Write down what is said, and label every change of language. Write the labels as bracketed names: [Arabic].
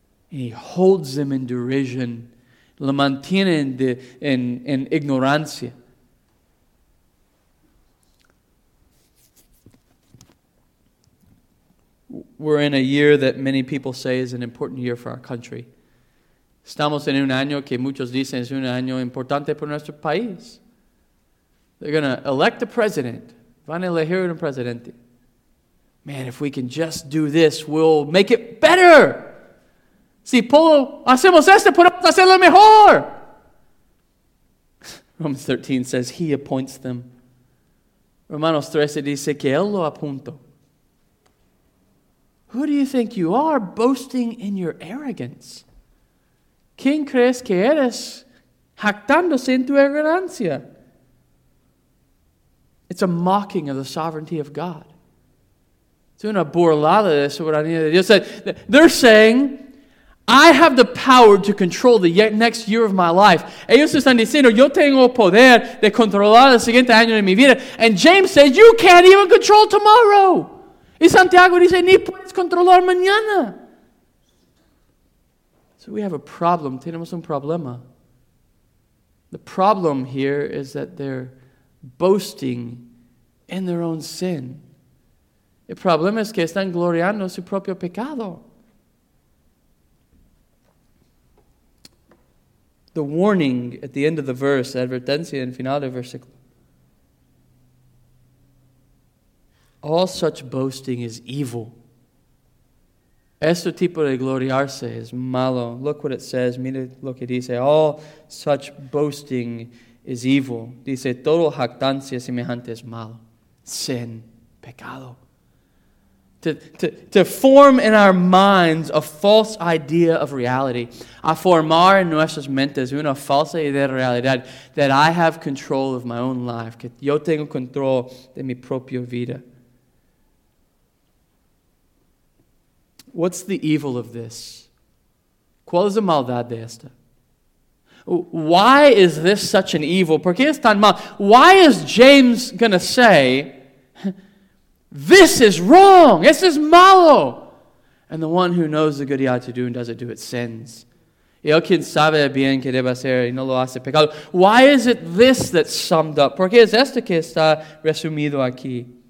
[English] And he holds them in derision. [Spanish] Lo mantiene en ignorancia. [English] We're in a year that many people say is an important year for our country. [Spanish] Estamos en un año que muchos dicen es un año importante para nuestro país. [English] They're going to elect a president. [Spanish] Van a elegir un presidente. [English] Man, if we can just do this, we'll make it better. [Spanish] Si hacemos esto, podemos hacerlo mejor. [English] Romans 13 says he appoints them. [Spanish] Romanos 13 dice que él lo apuntó. [English] Who do you think you are boasting in your arrogance? [Spanish] ¿Quién crees que eres jactándose en tu ignorancia? [English] It's a mocking of the sovereignty of God. It's [Spanish] una burlada de soberanía de Dios. [English] They're saying, I have the power to control the next year of my life. [Spanish] Ellos están diciendo, yo tengo poder de controlar el siguiente año de mi vida. [English] And James says, you can't even control tomorrow. [Spanish] Y Santiago dice, ni puedes controlar mañana. [English] So we have a problem. [Spanish] Tenemos un problema. [English] The problem here is that they're boasting in their own sin. [Spanish] El problema es que están gloriando su propio pecado. [English] The warning at the end of the verse, [Spanish] advertencia en final del versículo. [English] All such boasting is evil. [Spanish] Este tipo de gloriarse es malo. [English] Look what it says. [Spanish] Mire lo que dice. [English] All such boasting is evil. [Spanish] Dice, todo jactancia semejante es malo. Sin. Pecado. [English] To form in our minds a false idea of reality. [Spanish] A formar en nuestras mentes una falsa idea de realidad. [English] That I have control of my own life. [Spanish] Que yo tengo control de mi propia vida. [English] What's the evil of this? [Spanish] ¿Cuál es la maldad de esta? [English] Why is this such an evil? [Spanish] ¿Por qué es tan mal? [English] Why is James going to say, this is wrong, this is malo? And the one who knows the good he ought to do and doesn't do it sins. [Spanish] Y el quien sabe bien que debe hacer y no lo hace pecado. [English] Why is it this that's summed up? [Spanish] ¿Por qué es esto que está resumido aquí?